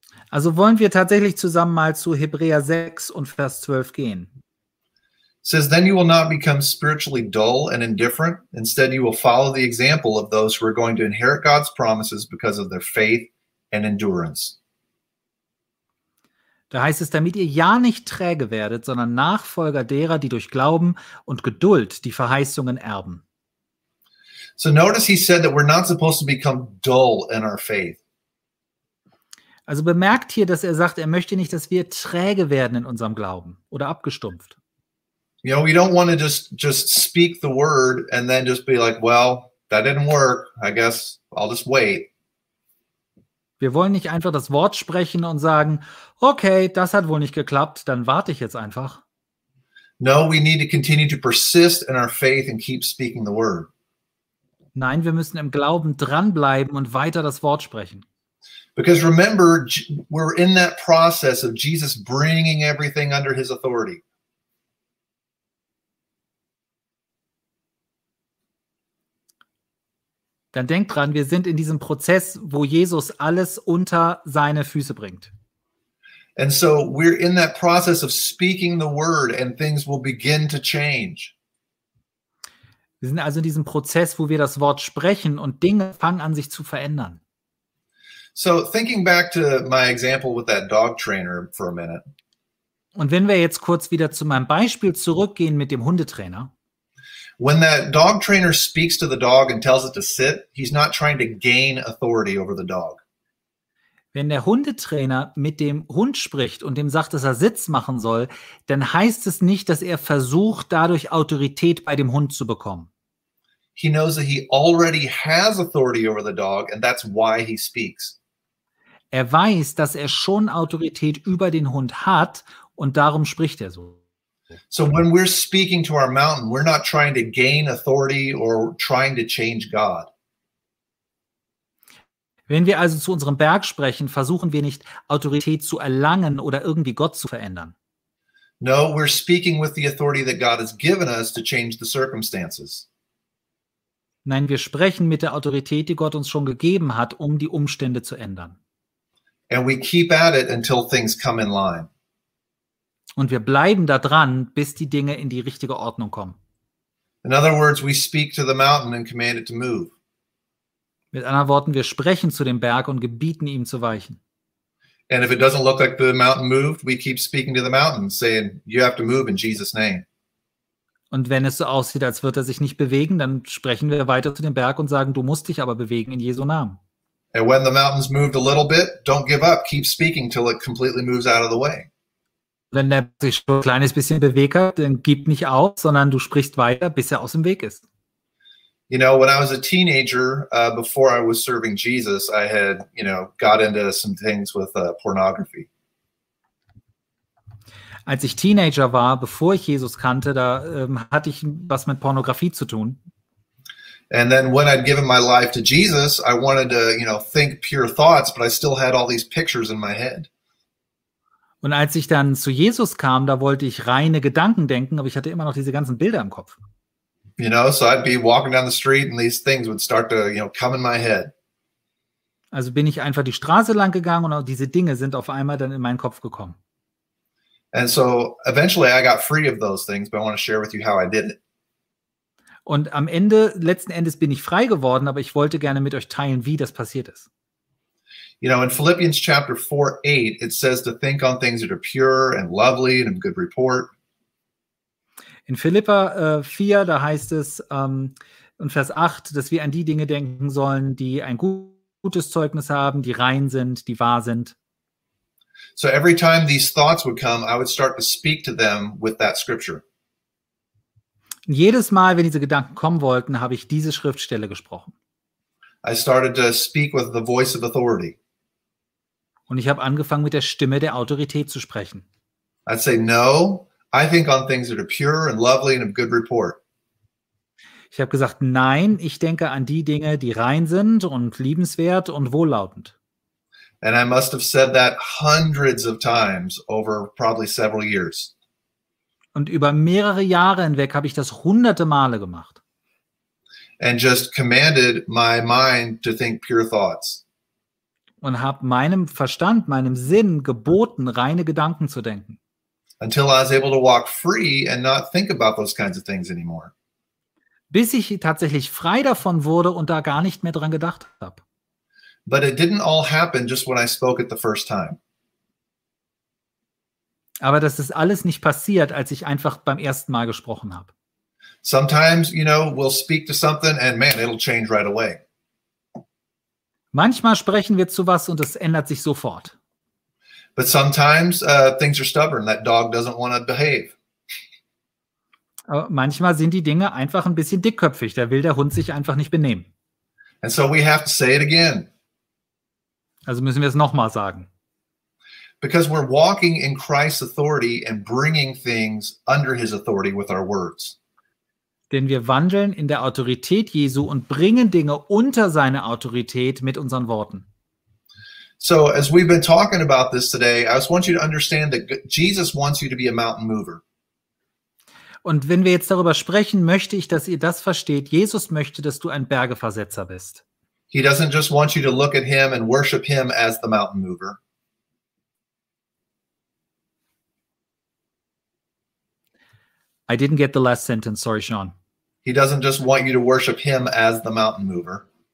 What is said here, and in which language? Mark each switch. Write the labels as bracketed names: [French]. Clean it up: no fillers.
[German] Also wollen wir tatsächlich zusammen mal zu Hebräer 6 und Vers 12 gehen. [English] It says, then you will not become spiritually dull and indifferent. Instead, you will follow the example of those who are going to inherit God's promises because of their faith and endurance. [German] Da heißt es, damit ihr ja nicht träge werdet, sondern Nachfolger derer, die durch Glauben und Geduld die Verheißungen erben. [English] So notice he said that we're not supposed to become dull in our faith. [German] Also bemerkt hier, dass er sagt, er möchte nicht, dass wir träge werden in unserem Glauben oder abgestumpft. [English] You know, we don't want to just speak the word and then just be like, well, that didn't work. I guess I'll just wait. [German] Wir wollen nicht einfach das Wort sprechen und sagen, okay, das hat wohl nicht geklappt, dann warte ich jetzt einfach. [English] No, we need to continue to persist in our faith and keep speaking the word. [German] Nein, wir müssen im Glauben dranbleiben und weiter das Wort sprechen. [English] Because remember, we're in that process of Jesus bringing everything under his authority. [German] Dann denkt dran, wir sind in diesem Prozess, wo Jesus alles unter seine Füße bringt. [English] And so we're in that process of speaking the word and things will begin to change. [German] Wir sind also in diesem Prozess, wo wir das Wort sprechen und Dinge fangen an sich zu verändern. [English] So thinking back to my example with that dog trainer for a minute. [German] Und wenn wir jetzt kurz wieder zu meinem Beispiel zurückgehen mit dem Hundetrainer. [English] When that dog trainer speaks to the dog and tells it to sit, he's not trying to gain authority over the dog. [German] Wenn der Hundetrainer mit dem Hund spricht und dem sagt, dass er Sitz machen soll, dann heißt es nicht, dass er versucht, dadurch Autorität bei dem Hund zu bekommen. [English] He knows that he already has authority over the dog and that's why he speaks. [German] Er weiß, dass er schon Autorität über den Hund hat und darum spricht er so. [English] So when we're speaking to our mountain, we're not trying to gain authority or trying to change God. [German] Wenn wir also zu unserem Berg sprechen, versuchen wir nicht, Autorität zu erlangen oder irgendwie Gott zu verändern. [English] No, we're speaking with the authority that God has given us to change the circumstances. [German] Nein, wir sprechen mit der Autorität, die Gott uns schon gegeben hat, um die Umstände zu ändern. [English] And we keep at it until things come in line. [German] Und wir bleiben da dran, bis die Dinge in die richtige Ordnung kommen. [English] In other words, we speak to the mountain and command it to move. [German] Mit anderen Worten, wir sprechen zu dem Berg und gebieten ihm zu weichen. [English] And if it doesn't look like the mountain moved, we keep speaking to the mountain, saying, you have to move in Jesus' name. [German] Und wenn es so aussieht, als würde er sich nicht bewegen, dann sprechen wir weiter zu dem Berg und sagen, du musst dich aber bewegen in Jesu Namen. [English] And when the mountain's moved a little bit, don't give up, keep speaking till it completely moves out of the way. [German] Wenn er sich schon ein kleines bisschen bewegt hat, dann gib nicht auf, sondern du sprichst weiter, bis er aus dem Weg ist. [English] You know, when I was a teenager, before I was serving Jesus, I had, you know, got into some things with pornography. [German] Als ich Teenager war, bevor ich Jesus kannte, da hatte ich was mit Pornografie zu tun. [English] And then when I'd given my life to Jesus, I wanted to, you know, think pure thoughts, but I still had all these pictures in my head. [German] Und als ich dann zu Jesus kam, da wollte ich reine Gedanken denken, aber ich hatte immer noch diese ganzen Bilder im Kopf. [English] You know, so I'd be walking down the street and these things would start to, you know, come in my head. [German] Also bin ich einfach die Straße lang gegangen und auch diese Dinge sind auf einmal dann in meinen Kopf gekommen. [English] And so eventually I got free of those things, but I want to share with you how I did it. [German] Und am Ende, letzten Endes bin ich frei geworden, aber ich wollte gerne mit euch teilen, wie das passiert ist. [English] You know, in Philippians chapter 4:8, it says to think on things that are pure and lovely and of good report. [German] In Philippa 4, da heißt es, und Vers 8, dass wir an die Dinge denken sollen, die ein gutes Zeugnis haben, die rein sind, die wahr sind. [English] So every time these thoughts would come, I would start to speak to them with that scripture. [German] Und jedes Mal, wenn diese Gedanken kommen wollten, habe ich diese Schriftstelle gesprochen. [English] I started to speak with the voice of authority. [German] Und ich habe angefangen, mit der Stimme der Autorität zu sprechen. [English] I'd say, no. I think on things that are pure and lovely and of good report. [German] Ich habe gesagt, nein, ich denke an die Dinge, die rein sind und liebenswert und wohllautend. [English] And I must have said that hundreds of times over probably several years. [German] Und über mehrere Jahre hinweg habe ich das hunderte Male gemacht. [English] And just commanded my mind to think pure thoughts. [German] Und habe meinem Verstand, meinem Sinn geboten, reine Gedanken zu denken. [English] Until I was able to walk free and not think about those kinds of things anymore. [German] Bis ich tatsächlich frei davon wurde und da gar nicht mehr dran gedacht habe. [English] But it didn't all happen just when I spoke it the first time. [German] Aber das ist alles nicht passiert, als ich einfach beim ersten Mal gesprochen habe. [English] Sometimes, you know, we'll speak to something and man, it'll change right away. [German] Manchmal sprechen wir zu was und es ändert sich sofort. [English] But sometimes things are stubborn. That dog doesn't want to behave. [German] Aber manchmal sind die Dinge einfach ein bisschen dickköpfig. Da will der Hund sich einfach nicht benehmen. [English] And so we have to say it again. [German] Also müssen wir es nochmal sagen. [English] Because we're walking in Christ's authority and bringing things under his authority with our words. [German] Denn wir wandeln in der Autorität Jesu und bringen Dinge unter seine Autorität mit unseren Worten. [English] So as we've been talking about this today, I just want you to understand that Jesus wants you to be a mountain mover. [German] Und wenn wir jetzt darüber sprechen, möchte ich, dass ihr das versteht. Jesus möchte, dass du ein Bergeversetzer bist. [English] He doesn't just want you to look at him and worship him as the mountain mover. I didn't get the last sentence, sorry Sean. He doesn't just want you to worship him as the mountain mover.